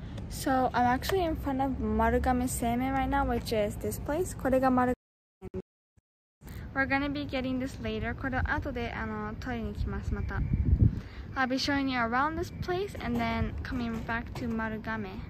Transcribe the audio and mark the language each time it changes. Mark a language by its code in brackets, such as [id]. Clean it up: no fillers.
[en] So I'm actually in front of Marugame Seimen right now, which is this place. [ja] これが [en] Marugame. We're gonna be getting this later. [ja] これは後で取りに来ます。また [en] I'll be showing you around this place and then coming back to Marugame.